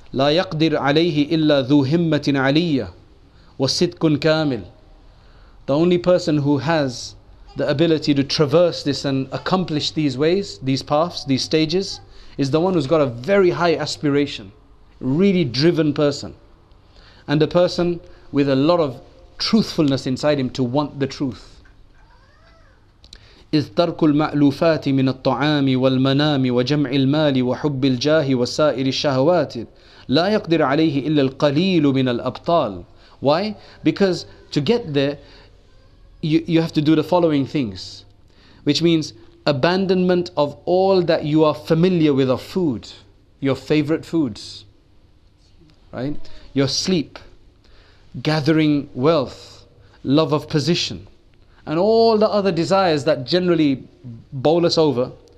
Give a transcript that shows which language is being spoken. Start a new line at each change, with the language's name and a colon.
Arabic: لا يقدر عليه إلا ذو همة عليا وصدق كامل.
English: The only person who has the ability to traverse this and accomplish these ways, these paths, these stages, is the one who's got a very high aspiration, really driven person, and a person with a lot of truthfulness inside him to want the truth.
Arabic: إذ ترك المألوفات من الطعام والمنام وجمع المال وحب الجاه وسائر الشهوات لا يقدر عليه إلا القليل من الأبطال.
English: Why? Because to get there, you have to do the following things, which means abandonment of all that you are familiar with of food, your favorite foods, right? Your sleep, gathering wealth, love of position, and all the other desires that generally bowl us over.